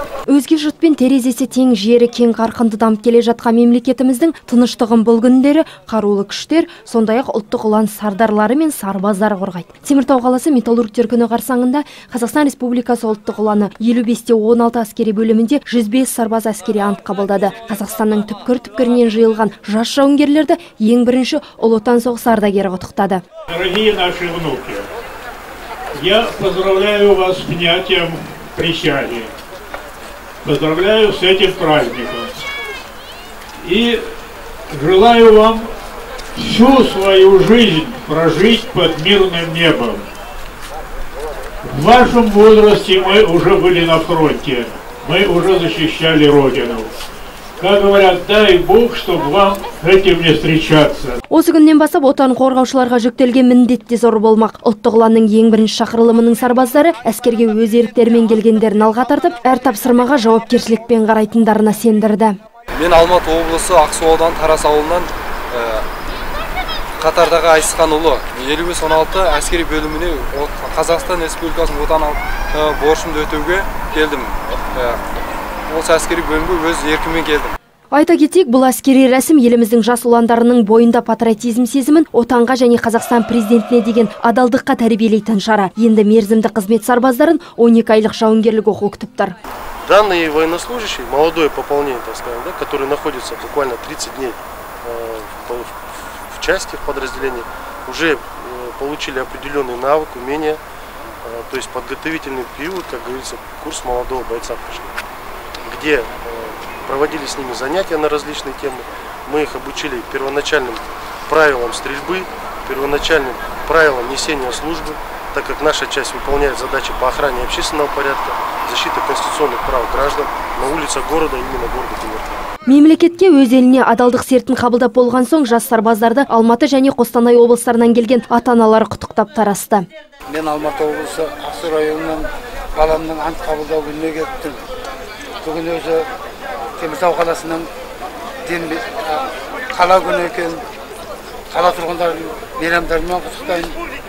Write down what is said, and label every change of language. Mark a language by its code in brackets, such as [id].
[kk] Өзге жұртпен терезесі тең жері кең қарқынды дамып келе жатқан мемлекетіміздің тыныштығын бұл күндері қарулы күштер, сондай-ақ ұлттық ұлан сардарлары мен сарбаздар қорғайды. Теміртау қаласы металлургтер күні қарсаңында Қазақстан Республикасы ұлттық ұланы 55-16 әскери бөлімінде 105 сарбаз әскери ант қабылдады. Қазақстанның түпкір-түпкірінен жиылған жас жауынгерлерді ең бірінші Ұлы Отан соғысы ардагері құттықтады. [ru] Дорогие наши внуки, я поздравляю вас с принятием присяги. Поздравляю с этим праздником и желаю вам всю свою жизнь прожить под мирным небом. В вашем возрасте мы уже были на фронте, мы уже защищали Родину. Как говорят, дай Бог, чтобы вам этим не встречаться. [kk] Осы күннен басып, отан қорғаушыларға жүктелген міндет те зор болмақ. Ұлттық ұланның ең бірінші шақырылымының сарбаздары әскерге өз еріктерімен келгендерін алға тартып, әр тапсырмаға жауапкершілікпен қарайтындарына сендірді. Мен Алматы облысы Ақсу ауданы Тарас ауылынан Қатардағы Айсықан ұлы 55-16 әскери бөліміне Қазақстан Республикасының отан борышымды өтеуге келдім. Осы әскери бөлімге өз еркіммен келдім. Айта кетейік, бұл әскери рәсім еліміздің жас ұландарының бойында патриотизм сезімін отанға және Қазақстан президентіне деген адалдыққа тәрбиелейтін шара. Енді мерзімді қызмет сарбаздарын 12 айлық жауынгерлік оқу күтіп тұр. [ru] Данные военнослужащие, молодое пополнение, так сказать, да, которое находится буквально 30 дней в части, в подразделении, уже получили определенный навык, умение, то есть подготовительный период, как говорится, курс молодого бойца прошли, где проводили с ними занятия на различные темы. Мы их обучили первоначальным правилам стрельбы, первоначальным правилам несения службы, так как наша часть выполняет задачи по охране общественного порядка, защиты конституционных прав граждан на улицах города, именно города Теміртау. [kk] Мемлекетке өз еліне адалдық сертін қабылдап болған соң жас сарбаздарды Алматы және Қостанай облыстарынан келген ата-аналар құттықтап тарасты. Мен Алматы облысы Ақсу районының баламның ант қабылдау күніне келдім. Бүгін өзі Теміртау қаласының қала күні екен, қала тұрғындарын мейрамдарымен құттықтаймын.